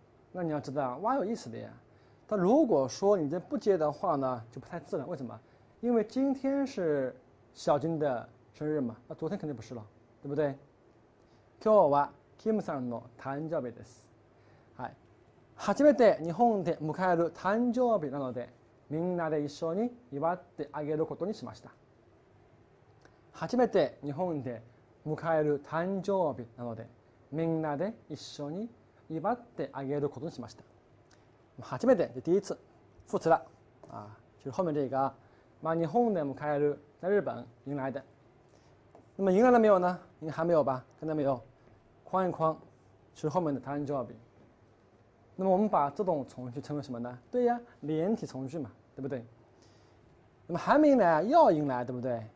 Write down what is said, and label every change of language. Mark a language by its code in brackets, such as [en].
[zh] 那你要知道啊，挖有意思的呀。他如果说你这不接的话呢，就不太自然。为什么？因为今天是小金的生日嘛，那昨天肯定不是了，对不对？ [ja] 今日はキムさんの誕生日です。はい。初めて日本で迎える誕生日なので、みんなで一緒に祝ってあげることにしました。初めて日本で迎える誕生日なので、みんなで一緒に祝ってあげることにしました。初めて、 [zh] 第一次、副詞了。就是后面这个，まあ [ja] 日本で迎える、 [zh] 在日本迎来的。那么迎来了没有呢？你还没有吧？看到没有？框一框，是后面的 time job。那么我们把这种从句称为什么呢？对呀，连体从句嘛，对不对？那么还没来，要迎来，对不对？